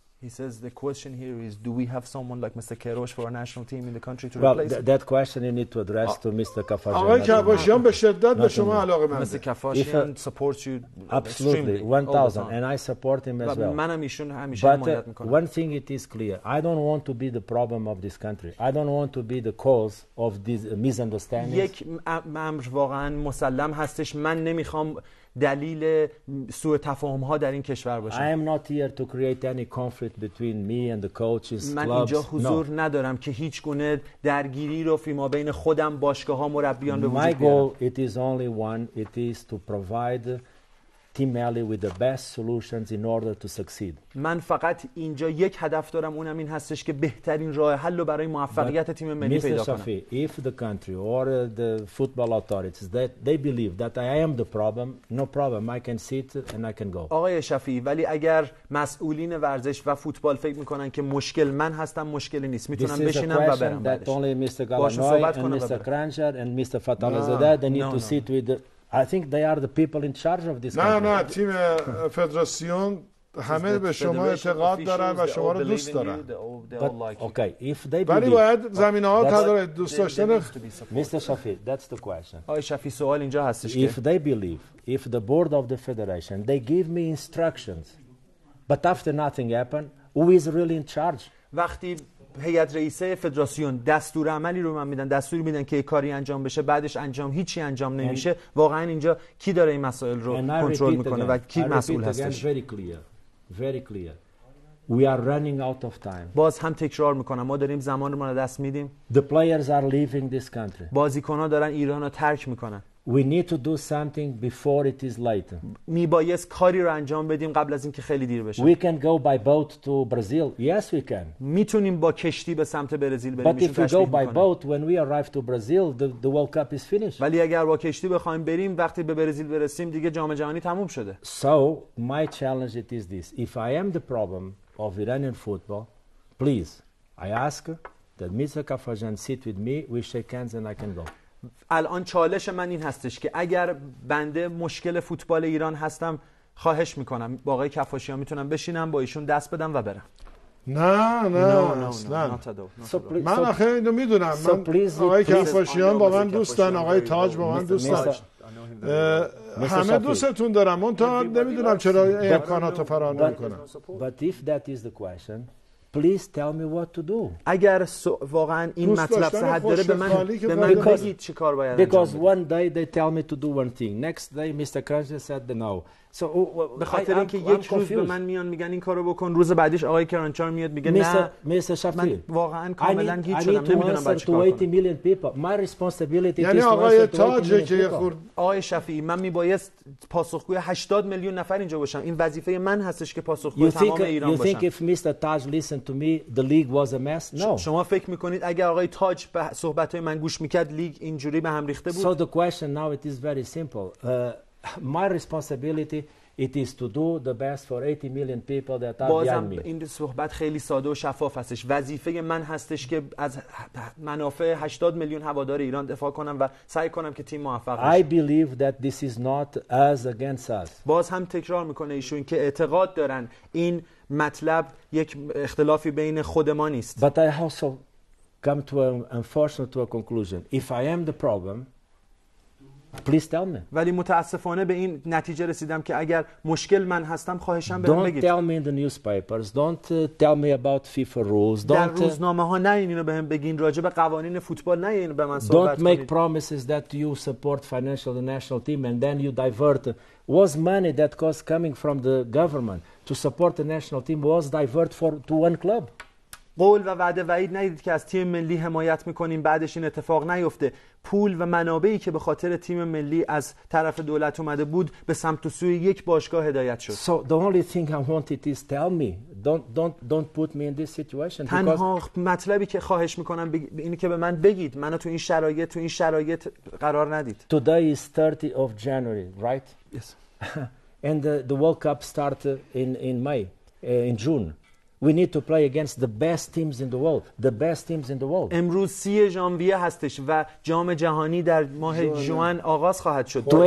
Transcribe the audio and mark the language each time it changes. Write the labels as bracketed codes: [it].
[en] He says the question here is, do we have someone like Mr. Kerosh for our national team in the country to well, replace him? Well, that question you need to address to Mr. Kafashian. [fa] آقای کفاشیان به شدت به شما علاقه منده. [en] Mr. Kafashian supports you absolutely, 1,000, and I support him as well. [fa] منم ایشون همیشه حمایت میکنم. [en] But one thing it is clear, I don't want to be the problem of this country. I don't want to be the cause of these misunderstandings. [fa] یک امر واقعا مسلم هستش، من نمیخوام دلیل سوء تفاهم ها در این کشور باشه. [en] I am not here to create any conflict between me and the coaches clubs. [fa] من اینجا حضور ندارم که هیچ گونه درگیری رو فیما بین خودم باشگاه ها مربیان به وجود بیارم. [en] My goal it is only one, it is to provide Tim Alley with the best solutions in order to succeed. [fa] من فقط اینجا یک هدف دارم، اونم این هستش که بهترین راه حل رو برای موفقیت تیم ملی پیدا کنم. [en] If the country or the football authorities that they believe that I am the problem, no problem, I can sit and I can go. [fa] آقای شفیعی، ولی اگر مسئولین ورزش و فوتبال فکر میکنن که مشکل من هستم، مشکلی نیست، میتونم بشینم و برم. [en] That only Mr. Galanoi and Mr. Cruncher and Mr. Fatalizade they need to sit with the, I think they are the people in charge of this. [fa] نه تیم فدراسیون همه به شما اعتقاد دارن و شما رو دوست دارن. [en] Okay, if they [fa] ولی باید زمینه‌ها تداره دوست داشتن. [en] Mr. Shafi, that's the question. [fa] آقای شفیع، سوال اینجا هستش که [en] if they believe, if the board of the federation they give me instructions but after nothing happened, who is really in charge? [fa] وقتی هیئت رئیسه فدراسیون دستور عملی رو من میدن، دستور میدن که کاری انجام بشه، بعدش انجام هیچی انجام نمیشه، واقعا اینجا کی داره این مسائل رو کنترل میکنه و کی مسئول هستش؟ [en] very clear. We are running out of time. [fa] باز هم تکرار میکنم، ما داریم زمان رو ما دست میدیم. [en] The players are leaving this country. [fa] بازیکن‌ها دارن ایران رو ترک میکنن. [en] We need to do something before it is late. [fa] می بایست کاری رو انجام بدیم قبل از اینکه خیلی دیر بشه. [en] We can go by boat to Brazil. Yes, we can. [fa] میتونیم با کشتی به سمت برزیل بریم. [en] But if we go by boat when we arrive to Brazil, the World Cup is finished. [fa] ولی اگر با کشتی بخوایم بریم، وقتی به برزیل برسیم دیگه جام جهانی تموم شده. [en] So my challenge it is this. If I am the problem of Iranian football, please, I ask that Mr. Kafajan sit with me, we shake hands and I can go. [fa] الان چالش من این هستش که اگر بنده مشکل فوتبال ایران هستم، خواهش میکنم با آقای کفاشیان میتونم بشینم با ایشون دست بدم و برم. نه، من آخه اینو میدونم، آقای کفاشیان با من دوستن، آقای تاج با من دوستن، همه دوستتون دارم، من تا نمیدونم چرا امکانات رو فراهم نمیکنم. [en] But if that is the question, please tell me what to do. [fa] اگر واقعا این مطلب صحت داره به من بگید چه کار باید انجام بدم. [en] Because one day they tell me to do one thing, next day Mr. Cruncher said no. [fa] So به خاطر اینکه یک روز به من میان میگن این کارو بکن، روز بعدش آقای کرانچار میاد میگه نه. [en] Mr. Shafir, [fa] من واقعا کاملا گیج شدم، نمیدونم بچه‌ها. [en] To 80 million people, my responsibility [fa] یعنی آقای تاج که یه خورد. آقای شفیعی، من میبایست پاسخگوی 80 میلیون نفر اینجا باشم. این وظیفه من هستش که پاسخگوی تمام ایران باشم. [en] You think if Mr. Taj listened to me, the league was a mess? No. [fa] شما فکر میکنید اگر آقای تاج به صحبت‌های من گوش میکرد لیگ اینجوری به هم ریخته بود؟ [en] So the question now it is very simple. My responsibility It is to do the best for 80 million people that are [fa] بازم [en] behind me. [fa] این صحبت خیلی ساده و شفاف هستش. وظیفه من هستش که از منافع 80 میلیون هوادار ایران دفاع کنم و سعی کنم که تیم موفق بشه. [en] I believe that this is not us against us. [fa] باز هم تکرار میکنه ایشون که اعتقاد دارن این مطلب یک اختلافی بین خود ما نیست. [en] But I also come to unfortunately to a conclusion. If I am the problem, please tell me. [fa] ولی متاسفانه به این نتیجه رسیدم که اگر مشکل من هستم خواهشم برم بگید. [en] Don't tell me in the newspapers. Don't tell me about FIFA rules. Don't [fa] در روزنامه ها نه اینو به من بگین راجع به قوانین فوتبال نه اینو به من صحبت [en] Don't [fa] کنید. [en] Don't make promises that you support financially the national team and then you divert. Was money that was coming from the government to support the national team was diverted for to one club. [fa] قول و وعده وعید ندید که از تیم ملی حمایت میکنیم بعدش این اتفاق نیفته. پول و منابعی که به خاطر تیم ملی از طرف دولت اومده بود به سمت و سوی یک باشگاه هدایت شد. [en] So the only thing I wanted is tell me. Don't put me in this situation. [fa] تنها مطلبی که خواهش میکنم اینه که به من بگید منو تو این شرایط قرار ندید. [en] Today is 30 of January, right? Yes. And the World Cup start in May, in June. We need to play against the best teams in the world. The best teams in the world. [fa] امروز 30 ژانویه هستش و جام جهانی در ماه ژوئن آغاز خواهد شد.